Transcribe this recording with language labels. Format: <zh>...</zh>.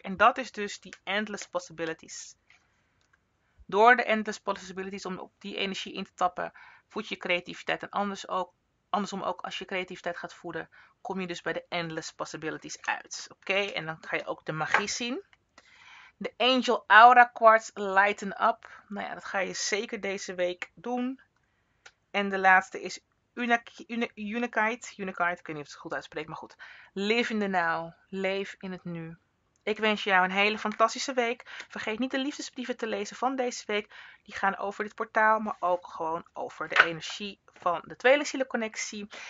<nl>En dat is dus die endless possibilities. Door de endless possibilities om op die energie in te tappen, voed je creativiteit. En andersom ook, als je creativiteit gaat voeden, kom je dus bij de endless possibilities uit. Oké? En dan ga je ook de magie zien.</nl> <en>De angel aura quartz lighten up.</en> <nl>Nou ja, dat ga je zeker deze week doen. En de laatste is unikite, ik weet niet of het goed uitspreekt, maar goed.</nl> <en>Live in the now,</en> <nl>leef in het nu. Ik wens jou een hele fantastische week. Vergeet niet de liefdesbrieven te lezen van deze week. Die gaan over dit portaal, maar ook gewoon over de energie van de tweelingzielenconnectie.</nl>